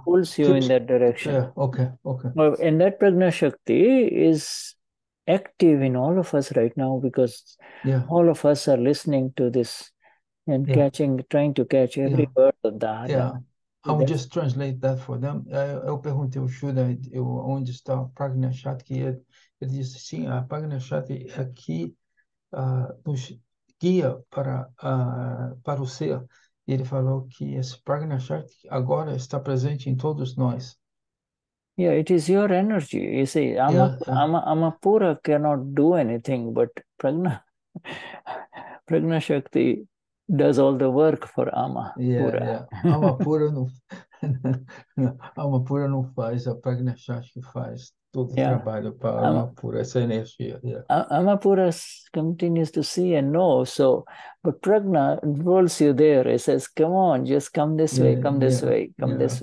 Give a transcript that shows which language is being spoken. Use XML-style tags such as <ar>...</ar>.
<en>Pulls you in that direction. Yeah, okay. Well, and that Pragna Shakti is active in all of us right now because all of us are listening to this and catching, trying to catch every word of the other. Yeah. I will just translate that for them.</en> <pt>Eu perguntei ao Shuddha onde está Pragna Shakti. Ele disse, sim, a Pragna Shakti aqui nos guia para o ser. E ele falou que esse Pragna Shakti agora está presente em todos nós.</pt> <en>Yeah, it is your energy. You see, ama pura cannot do anything, but Pragna Shakti does all the work for ama pura.</en> <pt>Yeah. Ama pura não. Ama pura não faz, a Pragna Shakti faz todo o trabalho para ama pura, essa energia.</pt> <en>Yeah. Ama pura continues to see and know, so, but Pragna rolls you there. It says, come on, just come this way, come this way, come this</en>